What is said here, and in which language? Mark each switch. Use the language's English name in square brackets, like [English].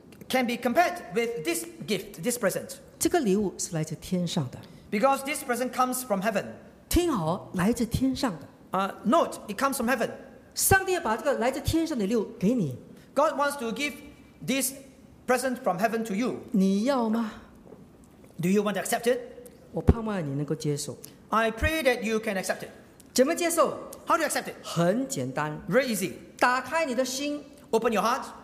[English] Can be compared with this gift, this present. [Chinese] 这个礼物是来自天上的。 [English] Because this present comes from heaven. [Chinese] 听好，来自天上的。 [English] Note, it comes from heaven. [Chinese] 上帝要把这个来自天上的礼物给你。 [English] God wants to give this present from heaven to you. [Chinese] 你要吗？ [English] Do you want to accept it? [Chinese] 我盼望你能够接受。 [English] I pray that you can accept it. [Chinese] 怎么接受 [English] ？How do you accept it? [Chinese] 很简单 [English] ，very easy. [Chinese] 打开你的心 [English] ，open your heart.